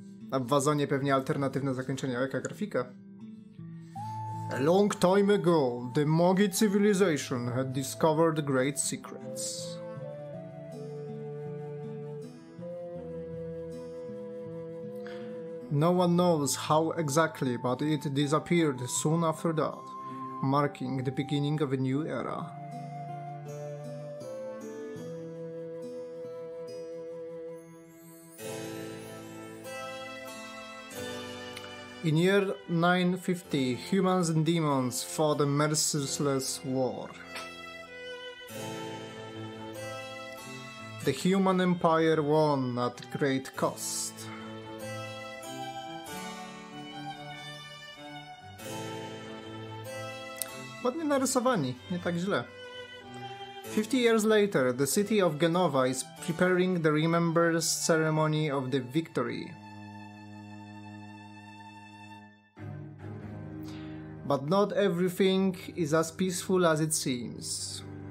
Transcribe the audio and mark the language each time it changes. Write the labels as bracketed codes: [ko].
[pl] A w wazonie pewnie alternatywne zakończenie. Jaka grafika? [en] A long time ago, the Mogi civilization had discovered great secrets. No one knows how exactly, but it disappeared soon after that, marking the beginning of a new era. In year 950, humans and demons fought a merciless war. The human empire won at great cost. [pl] Ładnie narysowani, nie tak źle. [en] 50 years later, the city of Genova is preparing the remembrance ceremony of the victory. But not everything is as peaceful as it seems.